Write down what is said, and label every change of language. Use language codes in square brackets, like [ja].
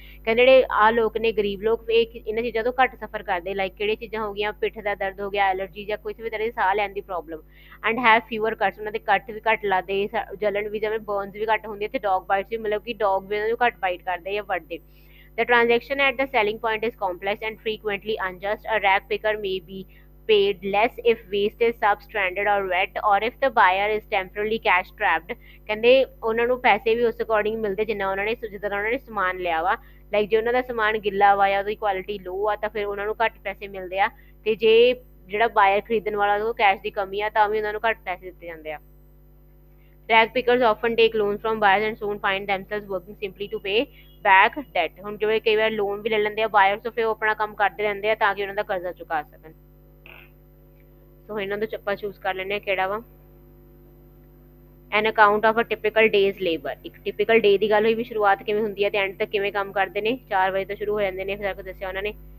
[pa] ਕਹਿੰਦੇ ਜਿਹੜੇ ਆਹ ਲੋਕ ਨੇ ਗਰੀਬ ਲੋਕ ਇਹ ਇਹਨਾਂ ਚੀਜ਼ਾਂ ਤੋਂ ਘੱਟ ਸਫਰ ਕਰਦੇ, ਲਾਈਕ ਕਿਹੜੀਆਂ ਚੀਜ਼ਾਂ ਹੋ ਗਈਆਂ, ਪਿੱਠ ਦਾ ਦਰਦ ਹੋ ਗਿਆ, ਐਲਰਜੀ ਜਾਂ ਕਿਸੇ ਵੀ ਤਰ੍ਹਾਂ ਦੀ ਸਾਹ ਲੈਣ ਦੀ problem, [en] and have fever cuts, [pa] ਉਹਨਾਂ ਦੇ ਕੱਟ ਵੀ ਘੱਟ ਲੱਗਦੇ, ਜਲਣ ਵੀ ਜਿਵੇਂ ਬਰਨਸ ਵੀ ਘੱਟ ਹੁੰਦੀ, ਅਤੇ ਡੋਗ ਬਾਈਟਸ ਵੀ, ਮਤਲਬ ਕਿ ਡੋਗ ਵੀ ਉਹਨਾਂ ਨੂੰ ਘੱਟ ਬਾਈਟ ਕਰਦੇ ਜਾਂ ਵੱਢਦੇ। [en] The transaction at the selling point is complex and frequently unjust. A rag picker may be paid less if waste is substranded or wet, or if the buyer is temporarily cash trapped. [pa] ਕਹਿੰਦੇ ਉਹਨਾਂ ਨੂੰ ਪੈਸੇ ਵੀ ਉਸ according ਮਿਲਦੇ ਜਿੰਨਾ ਉਹਨਾਂ ਨੇ ਜਿੱਦਾਂ ਉਹਨਾਂ ਨੇ ਸਮਾਨ ਲਿਆ ਵਾ, ਲਾਈਕ ਜੇ ਉਹਨਾਂ ਦਾ ਸਮਾਨ ਗਿੱਲਾ ਵਾ ਜਾਂ ਉਹਦੀ ਕੁਆਲਿਟੀ ਲੋ ਆ, ਤਾਂ ਫਿਰ ਉਹਨਾਂ ਨੂੰ ਘੱਟ ਪੈਸੇ ਮਿਲਦੇ ਆ, ਅਤੇ ਜੇ ਜਿਹੜਾ ਬਾਇਰ ਖਰੀਦਣ ਵਾਲਾ ਉਹ ਕੈਸ਼ ਦੀ ਕਮੀ ਆ, ਤਾਂ ਵੀ ਉਹਨਾਂ ਨੂੰ ਘੱਟ ਪੈਸੇ ਦਿੱਤੇ ਜਾਂਦੇ ਆ। [en] Rag pickers often take loans from buyers and soon find themselves working simply to pay back debt. [pa] ਹੁਣ ਜਿਵੇਂ ਕਈ ਵਾਰ ਲੋਨ ਵੀ ਲੈ ਲੈਂਦੇ ਆ ਬਾਇਰਸ, ਫਿਰ ਉਹ ਆਪਣਾ ਕੰਮ ਕਰਦੇ ਰਹਿੰਦੇ ਆ ਤਾਂ ਕਿ ਉਹਨਾਂ ਦਾ ਕਰਜ਼ਾ ਚੁਕਾ ਸਕਣ। ਸੋ ਇਹਨਾਂ ਤੋਂ ਆਪਾਂ ਚੂਜ਼ ਕਰ ਲੈਂਦੇ ਹਾਂ ਕਿਹੜਾ ਵਾ। [en] an account of a typical day's labour, [pa] ਇੱਕ ਟਿਪੀਕਲ ਡੇ ਦੀ ਗੱਲ ਹੋਈ ਵੀ ਸ਼ੁਰੂਆਤ ਕਿਵੇਂ ਹੁੰਦੀ ਹੈ ਅਤੇ ਐਂਡ ਤੱਕ ਕਿਵੇਂ ਕੰਮ ਕਰਦੇ ਨੇ, 4 ਵਜੇ ਤੋਂ ਸ਼ੁਰੂ ਹੋ ਜਾਂਦੇ ਨੇ, ਫਿਰ ਦੱਸਿਆ ਉਹਨਾਂ ਨੇ।